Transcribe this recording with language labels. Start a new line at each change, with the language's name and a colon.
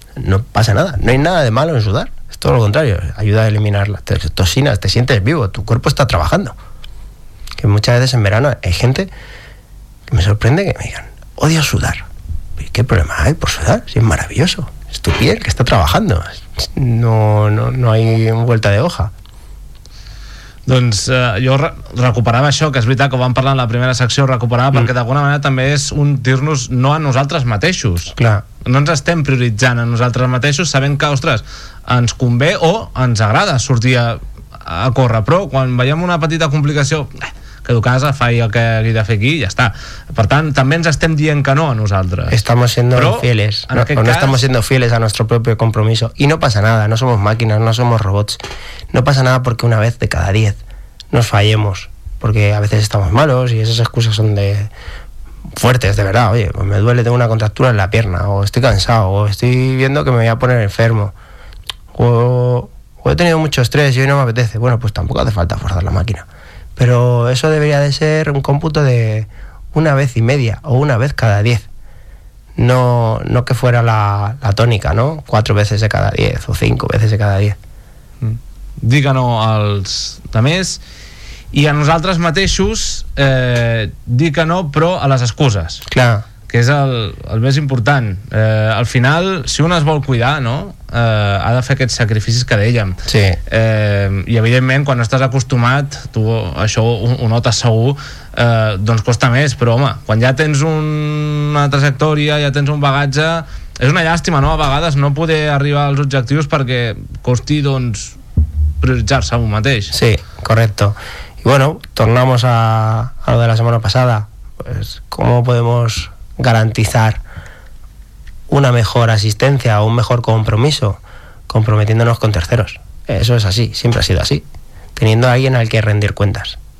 Spanish: No pasa nada, no hay nada de malo en sudar. Es todo lo contrario, ayuda a eliminar las toxinas, te sientes vivo, tu cuerpo está trabajando. Que muchas veces en verano hay gente... Me sorprende que me digan, odio sudar. ¿Qué problema hay por sudar? Si es maravilloso, es tu piel que está trabajando. No hay vuelta de hoja.
Catalan: Doncs jo recuperava això, que és veritat que ho vam parlar en la primera secció, recuperava perquè d'alguna manera també és un dir-nos no a nosaltres mateixos. Clar. No ens estem prioritzant a nosaltres mateixos, sabent que, ostres, ens convé o ens agrada sortir a córrer. Però quan veiem una petita complicació... Educasa, fa el que hagi de fer aquí i ja està. Per tant, també ens estem dient que no a nosaltres.
Spanish: Estamos siendo fieles. No estamos siendo fieles a nuestro propio compromiso. Y no pasa nada, no somos máquinas, no somos robots. No pasa nada porque una vez de cada 10 nos fallemos. Porque a veces estamos malos y esas excusas son de... fuertes, de verdad. Oye, pues me duele, tengo una contractura en la pierna. O estoy cansado, o estoy viendo que me voy a poner enfermo. O he tenido mucho estrés y hoy no me apetece. Bueno, pues tampoco hace falta forzar la máquina. Pero eso debería de ser un cómputo de una vez y media o una vez cada 10. No que fuera la tónica, ¿no? 4 veces de cada 10 o 5 veces de cada 10.
Catalan: Diga-no als altres i a nosaltres mateixos, diga-no però a les excuses. Clar. Que és el més important. Al final, si un es vol cuidar, no? Ha de fer aquests sacrificis que dèiem. Sí. I evidentment, quan estàs acostumat, tu això ho notes segur, doncs costa més. Però home, quan ja tens una trajectòria, ja tens un bagatge, és una llàstima, no? A vegades no poder arribar als objectius perquè costi, doncs, prioritzar-se a un mateix.
Spanish: Sí, correcto. I bueno, tornamos a lo de la semana pasada. Pues, ¿cómo podemos... garantizar una mejor asistencia o un mejor compromiso comprometiéndonos con terceros. Eso es así, siempre ha sido así, teniendo a alguien al que rendir cuentas.